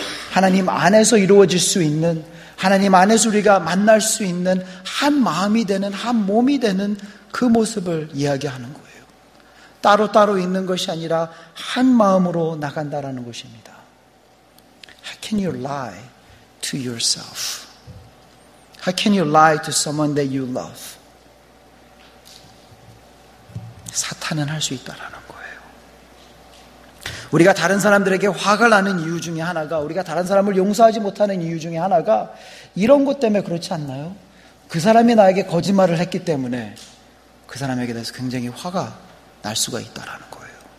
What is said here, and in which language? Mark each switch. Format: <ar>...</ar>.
<ko>하나님 안에서 이루어질 수 있는 하나님 안에서 우리가 만날 수 있는 한 마음이 되는 한 몸이 되는 그 모습을 이야기하는 거예요. 따로따로 있는 것이 아니라 한 마음으로 나간다라는 것입니다.</ko> <en>How can you lie to yourself? How can you lie to someone that you love?</en> <ko>사탄은 할 수 있다라는 거예요. 우리가 다른 사람들에게 화가 나는 이유 중에 하나가 우리가 다른 사람을 용서하지 못하는 이유 중에 하나가 이런 것 때문에 그렇지 않나요? 그 사람이 나에게 거짓말을 했기 때문에 그 사람에게 대해서 굉장히 화가 날 수가 있다라는 거예요.</ko>